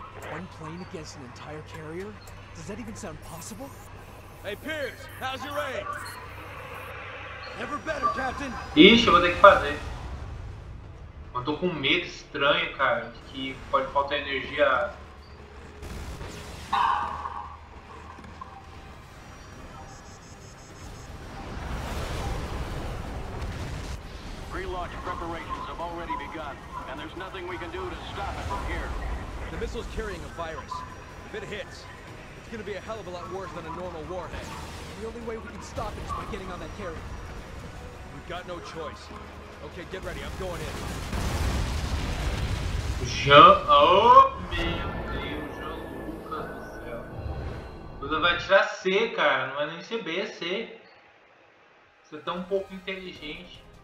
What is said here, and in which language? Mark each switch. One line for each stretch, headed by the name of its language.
English: One plane against an entire carrier? Does that even sound possible? Hey Pierce, how's your aim? Never better, Captain.
Portuguese: Ixi, eu vou ter que fazer. Eu tô com medo estranho, cara, de que pode faltar energia.
English: Pre-launch preparations have already begun, and there's nothing we can do to stop it from here. The missile's carrying a virus. If it hits, it's gonna be a hell of a lot worse than a normal warhead. And the only way we can stop it is by getting on that carrier. We've got no choice. Okay, get ready, I'm going in.
Portuguese: Oh, meu Deus, Jean-Lucas do céu. Tudo vai tirar C, cara, não vai nem ser B, é C. Você tá um pouco inteligente.